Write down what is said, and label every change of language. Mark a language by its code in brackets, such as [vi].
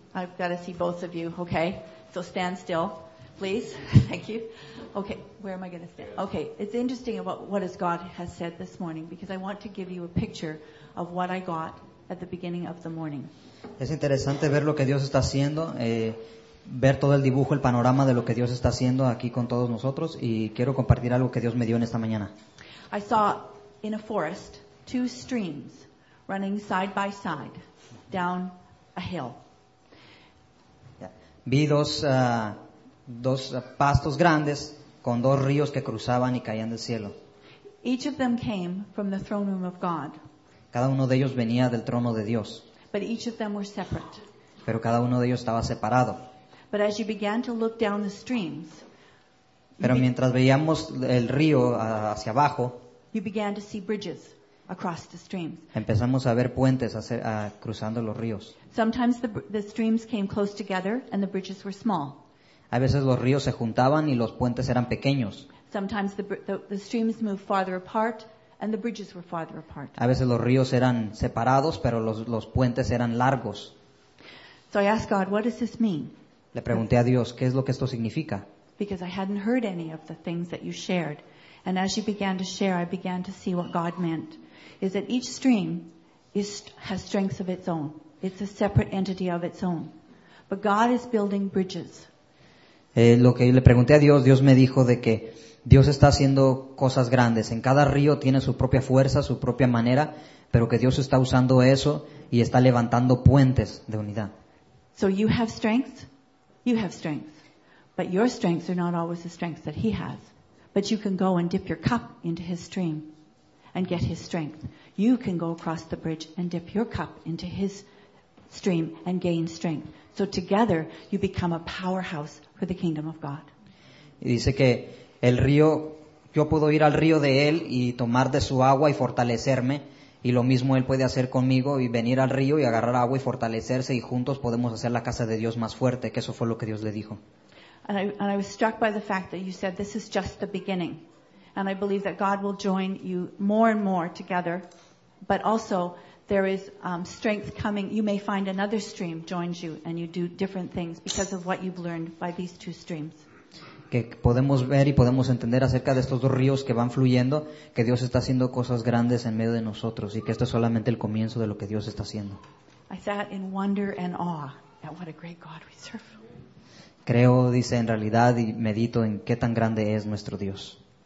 [en] I've got to see both of you, okay? So stand still, please. Thank you. Okay, where am I going to stand? Okay, it's interesting about what God has said this morning, because I want to give you a picture of what I got at the beginning of the morning. [es] Es interesante ver lo que Dios está haciendo, ver todo el dibujo, el panorama de lo que Dios está haciendo aquí con todos nosotros, y quiero compartir algo que Dios me dio en esta mañana. [en] I saw in a forest two streams running side by side down a hill. [es] Vi dos pastos grandes con dos ríos que cruzaban y caían del cielo. [en] Each of them came from the throne room of God. [es] Cada uno de ellos venía del trono de Dios. [en] But each of them were separate. [es] Pero cada uno de ellos estaba separado. [en] But as you began to look down the streams, [es] pero mientras veíamos el río hacia abajo, [en] you began to see bridges across the streams. [es] Empezamos a ver puentes cruzando los ríos. [en] Sometimes the streams came close together and the bridges were small. [es] A veces los ríos se juntaban y los puentes eran pequeños. [en] Sometimes the streams moved farther apart and the bridges were farther apart. [es] A veces los ríos eran separados, pero los puentes eran largos. [en] So I asked God, what does this mean? [es] Le pregunté a Dios, ¿qué es lo que esto significa? [en] Because I hadn't heard any of the things that you shared. And as you began to share, I began to see what God meant. Is that each stream has strengths of its own. It's a separate entity of its own. But God is building bridges. [es] Lo que le pregunté a Dios, Dios me dijo de que Dios está haciendo cosas grandes. En cada río tiene su propia fuerza, su propia manera, pero que Dios está usando eso y está levantando puentes de unidad. [en] So you have strengths. You have strengths. But your strengths are not always the strengths that he has. But you can go and dip your cup into his stream and get his strength. You can go across the bridge and dip your cup into his stream and gain strength. So together you become a powerhouse for the kingdom of God. [es] Y dice que el río, yo puedo ir al río de él y tomar de su agua y fortalecerme, y lo mismo él puede hacer conmigo y venir al río y agarrar agua y fortalecerse, y juntos podemos hacer la casa de Dios más fuerte, que eso fue lo que Dios le dijo. [en] And I was struck by the fact that you said this is just the beginning. And I believe that God will join you more and more together. But also, there is strength coming. You may find another stream joins you and you do different things because of what you've learned by these two streams. [es] Que podemos ver y podemos entender acerca de estos dos ríos que van fluyendo, que Dios está haciendo cosas grandes en medio de nosotros y que esto es solamente el comienzo de lo que Dios está haciendo. [en] I sat in wonder and awe at what a great God we serve. [es] Creo, dice, en realidad, y medito en qué tan grande es nuestro Dios.